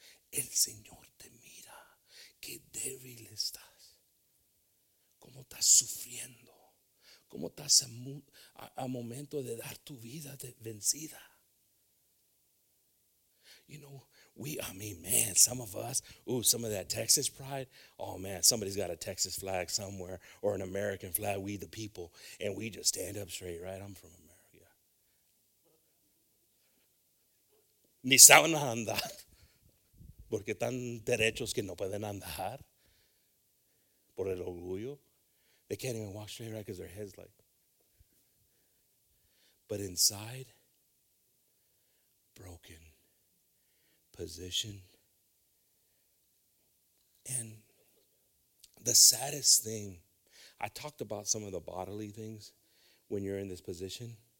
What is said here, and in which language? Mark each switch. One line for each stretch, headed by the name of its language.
Spanish: El Señor te mira. Qué débil estás. ¿Cómo estás sufriendo? ¿Cómo estás a momento de dar tu vida de vencida?
English: You know, man, some of us, ooh, some of that Texas pride, oh man, somebody's got a Texas flag somewhere or an American flag, we the people, and we just stand up straight, right? I'm from America.
Spanish: Ni saben andar, porque tan derechos que no pueden andar por el orgullo.
English: They can't even walk straight, right? Because their head's like. But inside, broken, position. And the saddest thing, I talked about some of the bodily things when you're in this position.